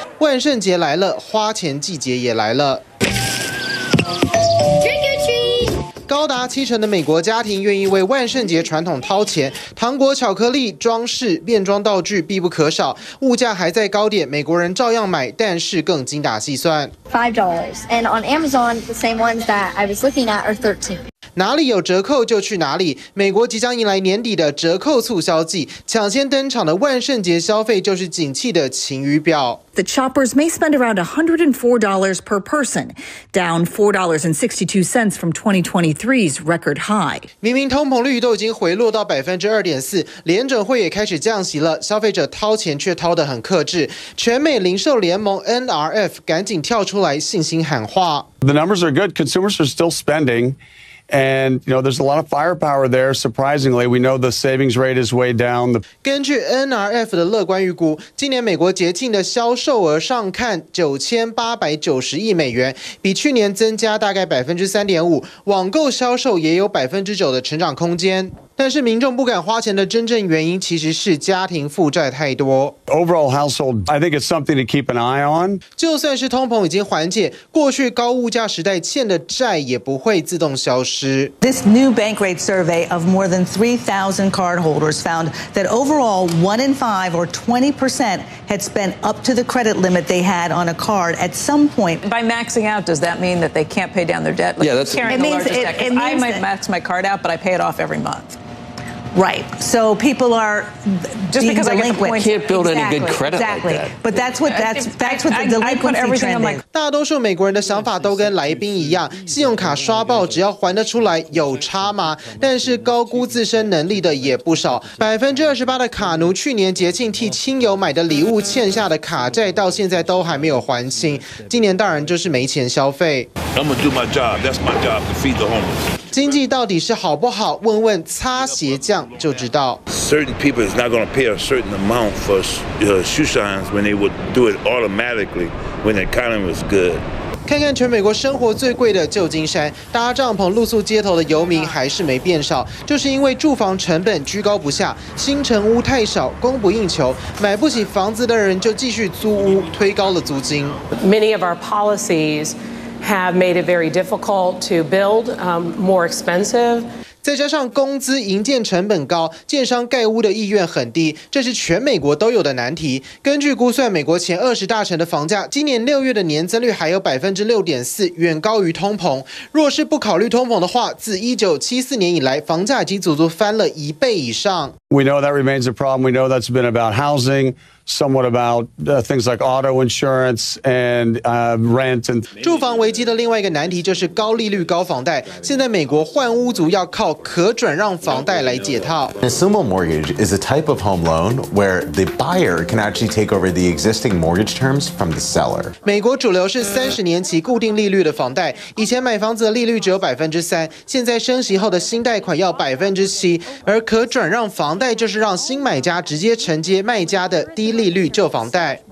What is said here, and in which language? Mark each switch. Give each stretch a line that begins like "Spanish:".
Chinese: 万圣节来了，花钱季节也来了。高达70%的美国家庭愿意为万圣节传统掏钱，糖果、巧克力、装饰、变装道具必不可少。物价还在高点，美国人照样买，但是更精打细算。
English: $5 and on Amazon the same ones that I was looking at are $13.
Chinese: 哪里有折扣就去哪里，美国即将迎来年底的折扣促销季，抢先登场的万圣节消费就是景气的晴雨表。
English: The shoppers may spend around $104 per person, down $4.62 from 2023's record high.
Chinese: 明明通膨率都已经回落到 2.4%， 联准会也开始降息了，消费者掏钱却掏得很克制。全美零售联盟 NRF 赶紧跳出来信心喊话。
English: The numbers are good, consumers are still spendingAnd, you know, there's a lot of firepower there, surprisingly. We know the savings rate is way down.
Chinese: 根据 NRF 的乐观预估，今年美国节庆的销售额上看$9,890 亿，比去年增加大概3.5%，网购销售也有9%的成长空间。但是民众不敢花钱的真正原因其实是家庭负债太多。
English: Overall household, I think it's something to keep an eye on.
Chinese: 就算是通膨已经缓解，过去高物价时代欠的债也不会自动消失。
English: This new bank rate survey of more than 3,000 cardholders found that overall 1 in 5 or 20% had spent up to the credit limit they had on a card at some point. By maxing out, does that mean that they can't pay down their debt? Like, yeah, that's carrying the largest debt. It means I might max my card out, but I pay it off every month. Right. So people are just because I can't build any good credit. Exactly. Like that. But that's what the delinquency trend is.
Chinese: 大多数美国人的想法都跟来宾一样，信用卡刷爆，只要还得出来，有差吗？但是高估自身能力的也不少。28%的卡奴去年节庆替亲友买的礼物欠下的卡债，到现在都还没有还清。今年当然就是没钱消费。
English: I'm gonna do my job. That's my job to feed the homeless.
Chinese: 经济到底是好不好？问问擦鞋匠就知道。
English: Certain people is not going to pay a certain amount for shoe shines when they would do it automatically when the economy was good.
Chinese: 看看全美国生活最贵的旧金山，搭帐篷露宿街头的游民还是没变少，就是因为住房成本居高不下，新成屋太少，供不应求，买不起房子的人就继续租屋，推高了租金。
English: Many of our policies. Have made it very difficult to build, more expensive.
Chinese: 再加上工资、营建成本高，建商盖屋的意愿很低，这是全美国都有的难题。根据估算，美国前20大城的房价今年6月的年增率还有6.4%，远高于通膨。若是不考虑通膨的话，自1974年以来，房价已经足足翻了一倍以上。
English: We know that remains a problem. We know that's been about housing. somewhat about things like auto insurance and rent.
Chinese: 住房危机的另外一个难题就是高利率高房贷。现在美国换屋族要靠可转让房贷来解套。
English: A simple mortgage is a type of home loan where the buyer can actually take over the existing mortgage terms from the seller.
Chinese: 美国主流是30年期固定利率的房贷，以前买房子的利率只有3%，现在升息后的新贷款要7%，而可转让房贷就是让新买家直接承接卖家的低利率旧房贷。